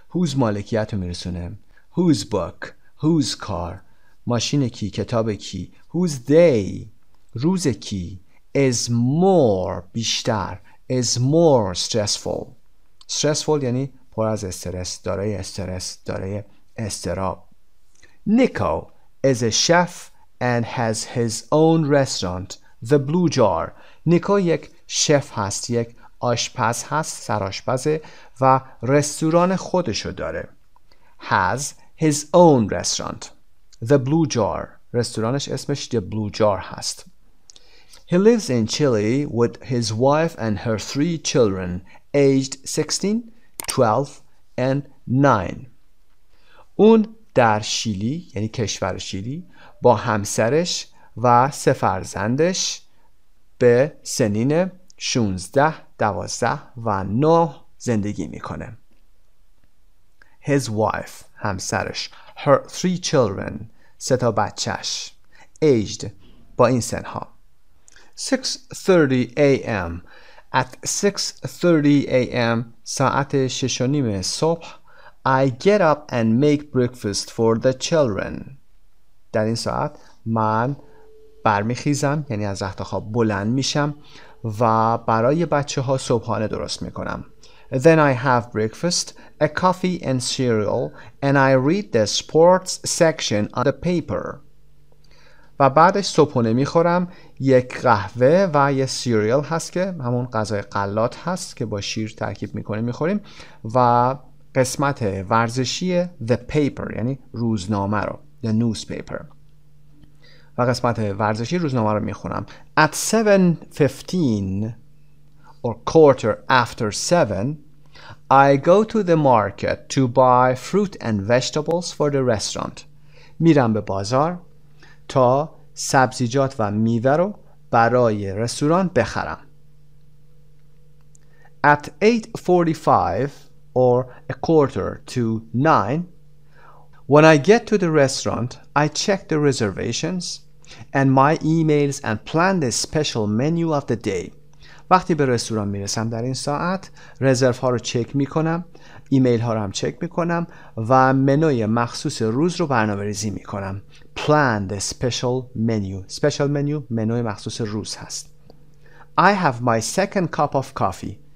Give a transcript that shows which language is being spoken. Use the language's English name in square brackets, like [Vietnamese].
[Persian] Whose مالکیت رو میرسونه؟ [English] Whose book؟ Whose car؟ [Persian] ماشین کی؟ کتاب کی؟ [English] Whose day؟ [Persian] روز کی؟ [English] Is more [Persian] بیشتر. [English] Is more stressful. [Persian] Stressful یعنی پر از استرس، دارای استرس، دارای استراب. [English] Nico is a chef and has his own restaurant, the Blue Jar. Nico یک [Persian] شف هست، یک آشپز هست، سرآشپزه و رستوران خودشو داره. [English] Has his own restaurant. The Blue Jar. [Persian] رستورانش اسمش The Blue Jar هست. [English] He lives in Chile with his wife and her three children aged 16, 12 and 9. [Persian] اون در شیلی، یعنی کشور شیلی، با همسرش و سه فرزندش به سنین 16, 12 و 9 زندگی میکنه. [English] His wife، [Persian] همسرش. [English] Her three children، [Persian] سه تا بچهش. [English] Aged، [Persian] با این سنها. 6:30 a.m. [English] At 6:30 a.m. [Persian] ساعت 6:30 صبح، [English] I get up and make breakfast for the children. [Persian] در این ساعت من برمیخیزم، یعنی از رخت خواب بلند میشم و برای بچه ها صبحانه درست میکنم. [English] Then I have breakfast, a coffee and cereal, and I read the sports section on the paper. [Persian] و بعدش صبحانه میخورم، یک قهوه و یه سیریال هست که همون غذای غلات هست که با شیر ترکیب میکنه میخوریم و قسمت ورزشی [English] the paper، [Persian] یعنی روزنامه رو، [English] the newspaper، [Persian] و قسمت ورزشی روزنامه رو میخونم. [English] At 7:15 or quarter after 7 I go to the market to buy fruit and vegetables for the restaurant. [Persian] میرم به بازار تا سبزیجات و میوه رو برای رستوران بخرم. [English] At 8:45 or a quarter to 9 when I get to the restaurant I check the reservations and my emails and plan the special menu of the day. [Persian] وقتی به رستوران میرسم در این ساعت رزرو ها رو چک میکنم، ایمیل ها رو هم چک میکنم و منوی مخصوص روز رو برنامه‌ریزی میکنم. [English] Plan the special menu. Special menu [Persian] منوی مخصوص روز هست. [English] I have my second cup of coffee.